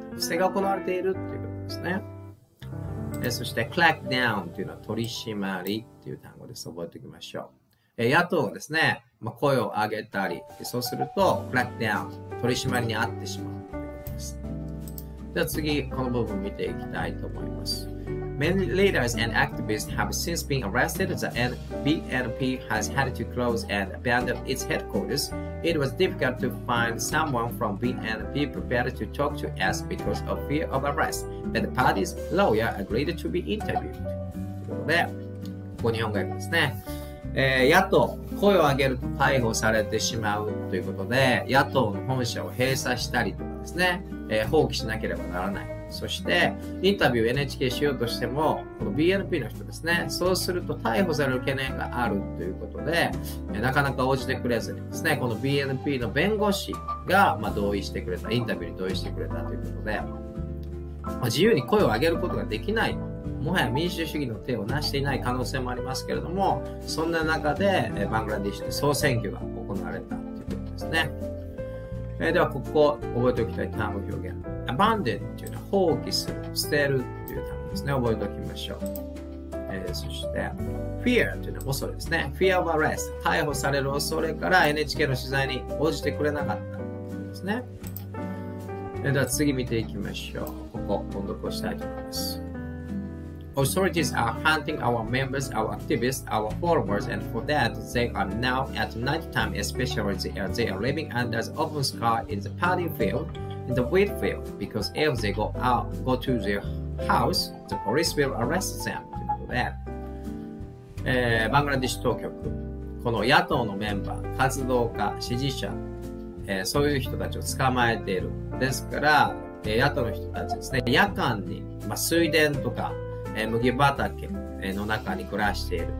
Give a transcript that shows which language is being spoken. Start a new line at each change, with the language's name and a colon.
Japanese: 不正が行われているということですね。そして、crackdown というのは取り締まりという単語です。覚えておきましょう。野党がですね、まあ、声を上げたり、そうすると、crackdown、取り締まりに遭ってしまう。では次この部分見ていきたいと思います。
English: Many leaders and activists have since been arrested. The BNP has had to close and abandon its headquarters. It was difficult to find someone from BNP prepared to talk to us because of fear of arrest. But the party's lawyer agreed to be interviewed.
Japanese: ということで、ここ日本語訳ですね、野党声を上げると逮捕されてしまうということで、野党の本社を閉鎖したりとかですね、放棄しなければならない。そしてインタビューを NHK しようとしても、この BNP の人ですね、そうすると逮捕される懸念があるということで、なかなか応じてくれずにですね、この BNP の弁護士が、まあ、同意してくれた、インタビューに同意してくれたということで、まあ、自由に声を上げることができない、もはや民主主義の手を成していない可能性もありますけれども、そんな中でバングラディッシュで総選挙が行われたということですね。ではここを覚えておきたい単語表現、 abandon というのは放棄する、捨てるという単語ですね。覚えておきましょう。そして fear というのは恐れですね。
English: fear of arrest、
Japanese: 逮捕される恐れから NHK の取材に応じてくれなかったですね。では次見ていきましょう。ここ音読をしたいと思います。
English: Authorities are hunting our members, our activists, our followers, and for that they are now at night time, especially as they are living under the open sky in the paddy field, in the wheat field, because if they go out, go to their house, the police will arrest them.
Japanese: バングラディッシュ当局、この野党のメンバー、活動家、支持者、そういう人たちを捕まえている。ですから、野党の人たちですね、夜間に、まあ、水田とか、麦畑の中に暮らしている。